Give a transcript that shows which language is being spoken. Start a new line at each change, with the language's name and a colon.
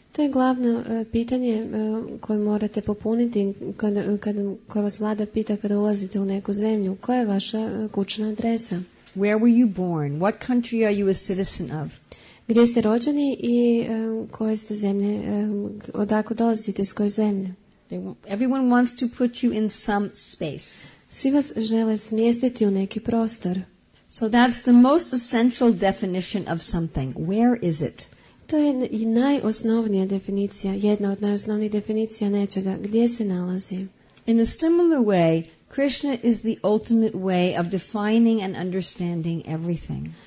Croatian: To je glavno pitanje koje morate popuniti koje vas vlada pita kada ulazite u neku zemlju. Koja je vaša kućna adresa?
English: Where were you born? What country are you a citizen of?
Croatian: Gdje ste rođeni i koje ste zemlje, odakle dolazite, iz koje zemlje?
English: Everyone wants to put you in some space.
Croatian: Svi vas žele smjestiti u neki prostor.
English: So that's the most essential definition of something. Where is it?
Croatian: To je i najosnovnija definicija, jedna od najosnovnijih definicija nečega. Gdje se nalazi?
English: In a similar way, Krishna is the ultimate way of defining and understanding everything.